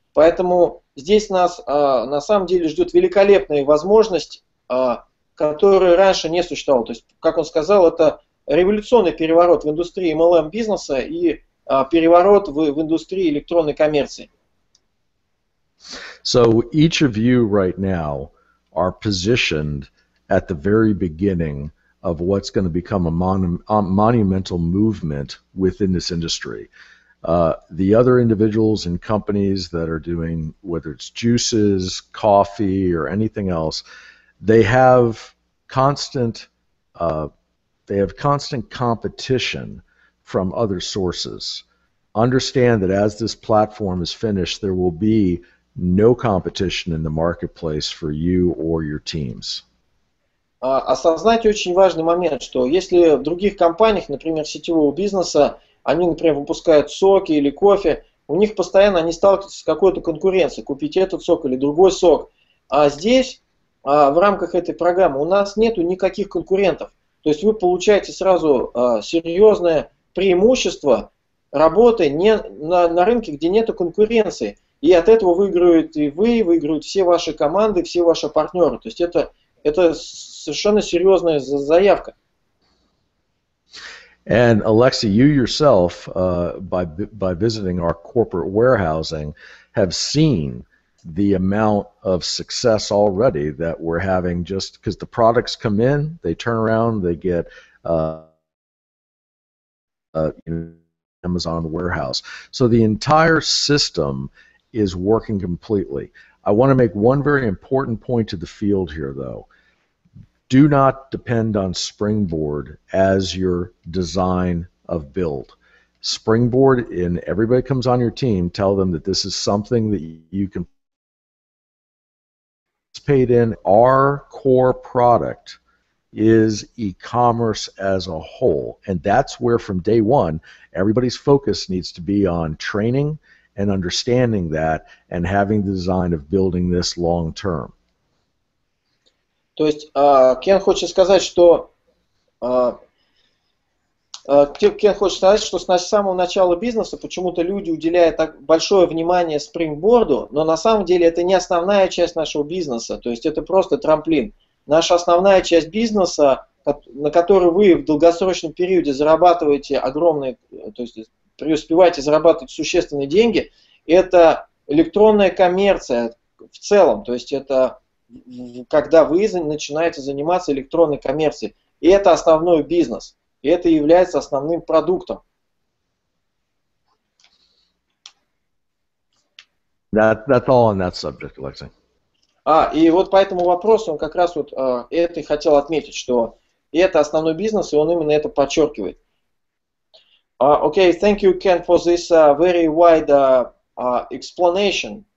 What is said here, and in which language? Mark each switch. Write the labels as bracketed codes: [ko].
[ru] Поэтому здесь нас на самом деле ждет великолепная возможность, которая раньше не существовала. То есть, как он сказал, это революционный переворот в индустрии MLM-бизнеса и переворот в индустрии электронной коммерции. [en] So each of you right now are positioned at the very beginning of what's going to become a monumental movement within this industry. The other individuals and companies that are doing, whether it's juices, coffee, or anything else, they have constant competition from other sources. Understand that as this platform is finished, there will be no competition in the marketplace for you or your teams. [ru] Осознать очень важный момент, что если в других компаниях, например, сетевого бизнеса, они, например, выпускают соки или кофе, у них постоянно они сталкиваются с какой-то конкуренцией, купить этот сок или другой сок. А здесь, в рамках этой программы, у нас нет никаких конкурентов. То есть вы получаете сразу серьезное преимущество работы на рынке, где нет конкуренции. И от этого выиграют и вы, выиграют все ваши команды, все ваши партнеры. То есть это совершенно серьезная заявка. [en] And Alexei, you yourself, by visiting our corporate warehousing, have seen the amount of success already that we're having just because the products come in, they turn around, they get Amazon warehouse. So the entire system is working completely. I want to make one very important point to the field here, though. Do not depend on Springboard as your design of build. Springboard, and everybody comes on your team, tell them that this is something that you can participate in. Our core product is e-commerce as a whole. And that's where from day one, everybody's focus needs to be on training and understanding that and having the design of building this long term. [ru] То есть Кен хочет сказать, что с самого начала бизнеса почему-то люди уделяют так большое внимание спрингборду, но на самом деле это не основная часть нашего бизнеса, то есть это просто трамплин. Наша основная часть бизнеса, на которой вы в долгосрочном периоде зарабатываете огромные, то есть преуспеваете зарабатывать существенные деньги, это электронная коммерция в целом, то есть это когда вы начинаете заниматься электронной коммерцией. И это основной бизнес. И это является основным продуктом. [en] That's all on that subject, Alexei. [ru] И вот по этому вопросу он как раз вот это и хотел отметить, что это основной бизнес, и он именно это подчеркивает. [en] Okay, thank you, Ken, for this very wide explanation.